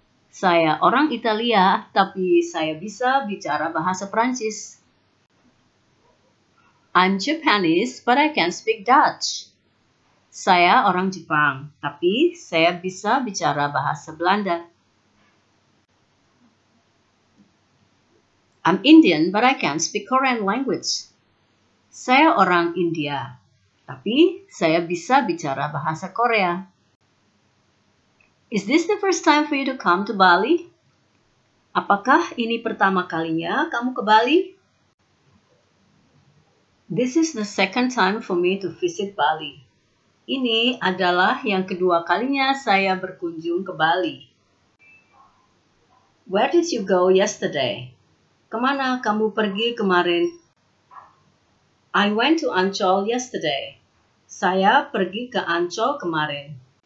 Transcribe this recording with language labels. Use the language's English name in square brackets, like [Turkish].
[Indonesian] Saya orang Italia, tapi saya bisa bicara bahasa Prancis. [English] I'm Japanese, but I can speak Dutch. [Indonesian] Saya orang Jepang, tapi saya bisa bicara bahasa Belanda. [English] I'm Indian, but I can speak Korean language. [Indonesian] Saya orang India, tapi saya bisa bicara bahasa Korea. [English] Is this the first time for you to come to Bali? [Indonesian] Apakah ini pertama kalinya kamu ke Bali? [English] This is the second time for me to visit Bali. [Indonesian] Ini adalah yang kedua kalinya saya berkunjung ke Bali. [English] Where did you go yesterday? [Indonesian] Kemana kamu pergi kemarin? [English] I went to Ancol yesterday. [Indonesian] Saya pergi ke Ancol kemarin.